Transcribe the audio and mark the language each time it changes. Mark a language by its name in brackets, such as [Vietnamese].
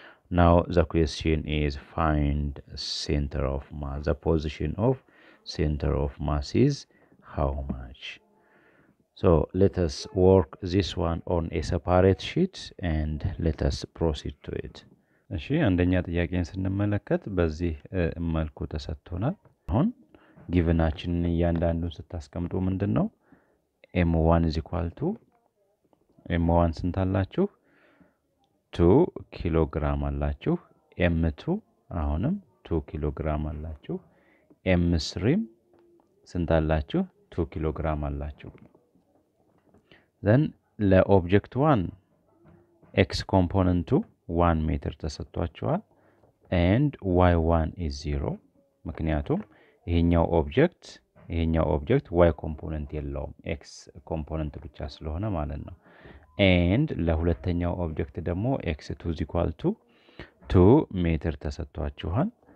[English] Now the question is find center of mass. The position of center of mass is how much? So let us work this one on a separate sheet and let us proceed to it. [Amharic] እሺ አንደኛ ጥያቄን ስንመለከት በዚህ መልኩ ተሰጥቶናል። አሁን ጊቨናችንን ያንዳንዱን ስታስቀምጡ ምንድነው? [English] M1 is equal to M1 [Amharic] ስንት አላችሁ? 2 ኪሎ ግራም አላችሁ። M2 አሁንም 2 ኪሎ ግራም አላችሁ። M3 ስንት አላችሁ? [English] 2 ኪሎ ግራም አላችሁ። Then the object 1 x component 2 1 meter [Amharic] ተሰጥቷቸዋል [English] and y1 is 0 [Amharic] ምክንያቱም ይሄኛው [English] object y component [Amharic] የለውም [English] x component [Amharic] ብቻ ስለሆነ ማለት ነው [English] and [Amharic] ለሁለተኛው [English] object [Amharic] ደግሞ [English] x2 is equal to 2 meter ተሰጥቷቸዋል